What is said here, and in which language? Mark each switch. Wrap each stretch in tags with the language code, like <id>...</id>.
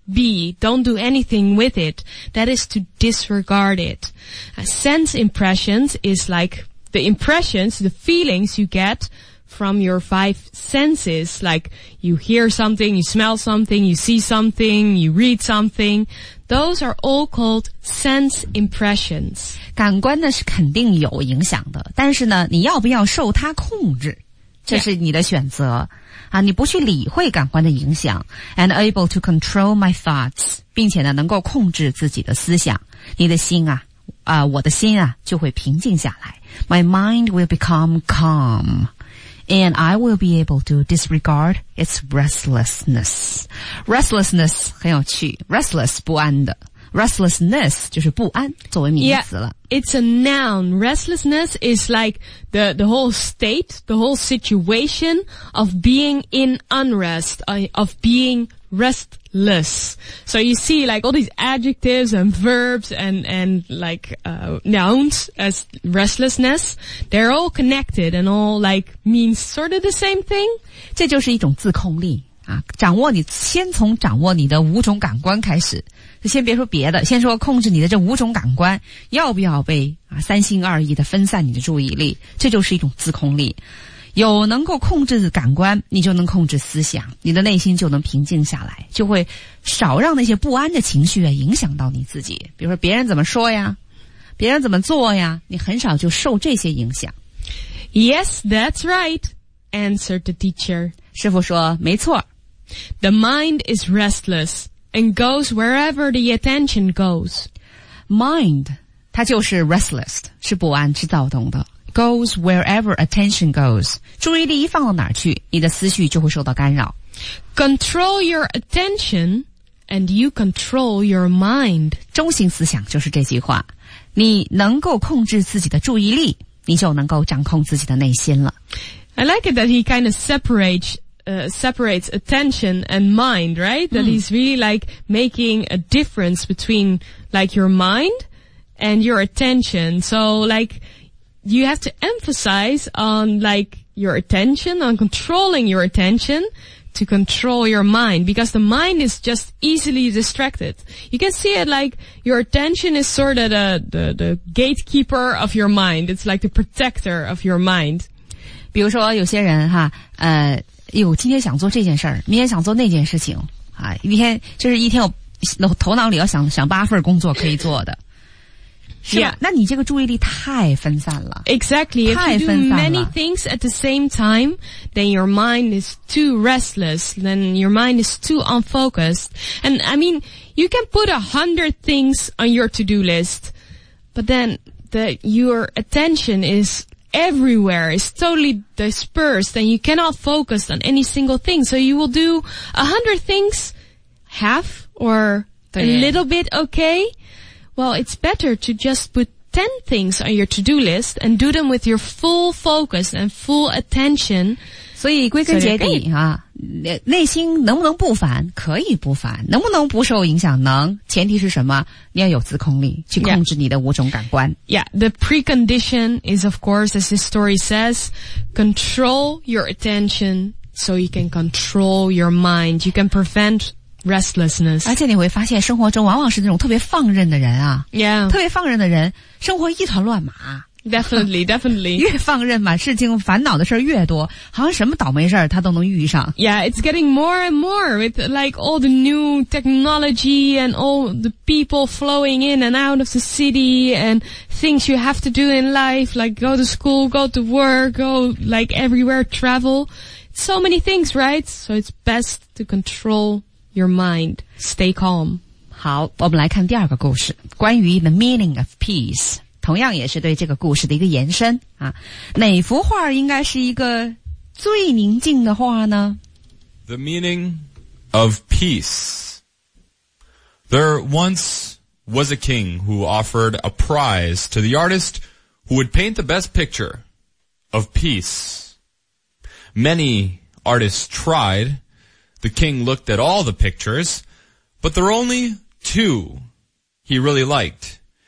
<en>B, don't do anything with it. That is to disregard it. Sense impressions is like the impressions, the feelings you get from your five senses, like you hear something, you smell something, you see something, you read something. Those are all called sense impressions.</en> <zh>感官呢是肯定有影响的，但是呢你要不要受它控制，这是你的选择。 Yeah. 啊，你不去理会感官的影响，</zh> <en>and able to control my thoughts,</en> <zh>并且呢能够控制自己的思想，你的心啊，我的心啊就会平静下来。</zh> <en>My mind will become calm. And I will be able to disregard its restlessness.</en> <zh>Restlessness 很有趣 ,restless 不安的。Restlessness 就是不安作为名词了。</zh> <en>Yeah, it's a noun. Restlessness is like the whole state, the whole situation of being in unrest, of being restless. So you see like all these adjectives and verbs and like nouns as restlessness, they're all connected and all like means sort of the same thing.</en> <zh>这就是一种自控力。啊，掌握你，先从掌握你的五种感官开始，先别说别的，先说控制你的这五种感官，要不要被啊三心二意的分散你的注意力，这就是一种自控力。有能够控制感官，你就能控制思想，你的内心就能平静下来，就会少让那些不安的情绪啊影响到你自己。比如说别人怎么说呀，别人怎么做呀，你很少就受这些影响。</zh> <en>Yes, that's right, answered the teacher.</en> <zh>师父说没错。</zh> <en>The mind is restless and goes wherever the attention goes.</en> <zh>Mind, 它就是 restless, 是不安是躁动的。</zh> <en>Goes wherever attention goes.</en> <zh>注意力一放到哪儿去，你的思绪就会受到干扰。</zh> <en>Control your attention and you control your mind.</en> <zh>中心思想就是这句话。你能够控制自己的注意力，你就能够掌控自己的内心了。</zh> <en>I like it that he kind of separates attention and mind, right? That he's really like making a difference between like your mind and your attention. So like you have to emphasize on like your attention, on controlling your attention to control your mind, because the mind is just easily distracted. You can see it like your attention is sort of the gatekeeper of your mind. It's like the protector of your mind.</en> <zh>比如说有些人哈，今天想做这件事儿，明天想做那件事情啊，一天就是一天有头脑里要想八份工作可以做的，是吧？</zh> <en>Yeah.</en> <zh>那你这个注意力太分散了。</zh> <en>Exactly, if you do many things at the same time, then your mind is too restless, then your mind is too unfocused. And I mean, you can put 100 things on your to-do list, but then your attention is... everywhere is totally dispersed and you cannot focus on any single thing. So you will do 100 things half or a little bit okay. Well, it's better to just put 10 things on your to-do list and do them with your full focus and full attention.</en> <zh>所以归根结底啊，内心能不能不烦？可以不烦。能不能不受影响？能。前提是什么？你要有自控力，去控制你的五种感官。</zh> <en>Yeah, the precondition is, of course, as this story says, control your attention so you can control your mind. You can prevent restlessness.</en> <zh>而且你会发现，生活中往往是那种特别放任的人啊，</zh> <en>yeah.</en> <zh>特别放任的人，生活一团乱麻。</zh> <en>Definitely, definitely.</en> <zh>越放任嘛，事情烦恼的事越多，好像什么倒霉事他都能遇上。</zh> <en>Yeah, it's getting more and more with like all the new technology and all the people flowing in and out of the city and things you have to do in life, like go to school, go to work, go like everywhere, travel. So many things, right? So it's best to control your mind. Stay calm.</en> <zh>好，我们来看第二个故事，关于</zh> <en>the meaning of peace.</en> <zh>同样也是对这个故事的一个延伸啊，哪幅画应该是一个最宁静的画呢？</zh> <en>The meaning of peace. There once was a king who offered a prize to the artist who would paint the best picture of peace. Many artists tried. The king looked at all the pictures, but there were only two he really liked.</en>